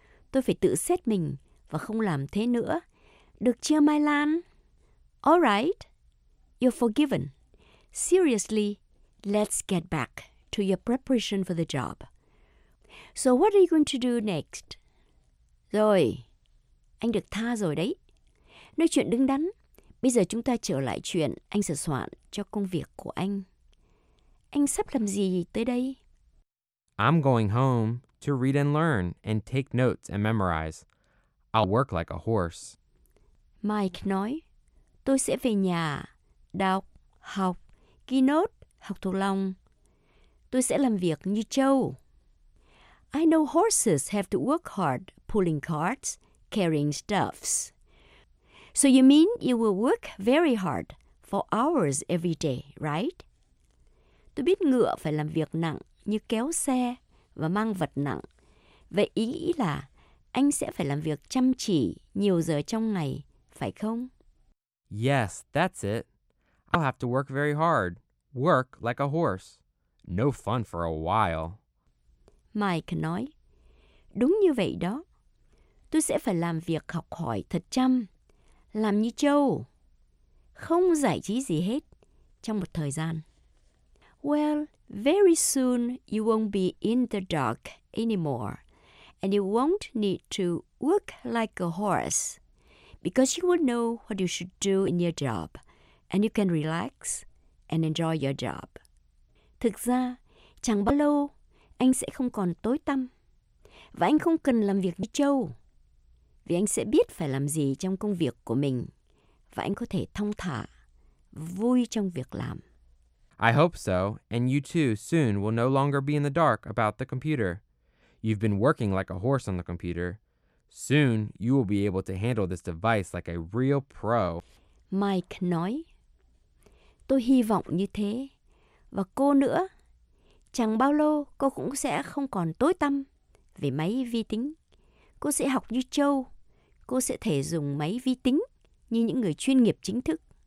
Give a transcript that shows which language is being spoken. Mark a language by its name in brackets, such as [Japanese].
[Vietnamese] Tôi phải tự xét mình và không làm thế nữa. Được chưa, [English] Mylon? All right, you're forgiven. Seriously, let's get back to your preparation for the job. So what are you going to do next? [Vietnamese] Rồi, anh được tha rồi đấy. Nói chuyện đứng đắn. Bây giờ chúng ta trở lại chuyện anh sửa soạn cho công việc của anh. Anh sắp làm gì tới đây? [English] I'm going home to read and learn and take notes and memorize. I'll work like a horse. [Vietnamese] Mike nói, tôi sẽ về nhà, đọc, học, ghi nốt, học thuộc lòng. Tôi sẽ làm việc như trâu. [English] I know horses have to work hard pulling carts, carrying stuffs. So you mean you will work very hard for hours every day, right? [Vietnamese] Tôi biết ngựa phải làm việc nặng như kéo xe và mang vật nặng. Vậy ý nghĩ là anh sẽ phải làm việc chăm chỉ nhiều giờ trong ngày, phải không? [English] Yes, that's it. I'll have to work very hard. Work like a horse. No fun for a while. [Vietnamese] Mike nói, đúng như vậy đó. Tôi sẽ phải làm việc học hỏi thật chăm. Làm như trâu, không giải trí gì hết trong một thời gian. [English] Well, very soon you won't be in the dark anymore, and you won't need to work like a horse, because you will know what you should do in your job, and you can relax and enjoy your job. [Vietnamese] Thực ra, chẳng bao lâu anh sẽ không còn tối tăm, và anh không cần làm việc như trâu. Vì anh sẽ biết phải làm gì trong công việc của mình và anh có thể thong thả, vui trong việc làm. [English] I hope so, and you too soon will no longer be in the dark about the computer. You've been working like a horse on the computer. Soon you will be able to handle this device like a real pro. [Vietnamese] Mike nói, tôi hy vọng như thế. Và cô nữa, chẳng bao lâu cô cũng sẽ không còn tối tăm về máy vi tính. Cô sẽ học như trâu. Cô sẽ thể dùng máy vi tính như những người chuyên nghiệp chính thức.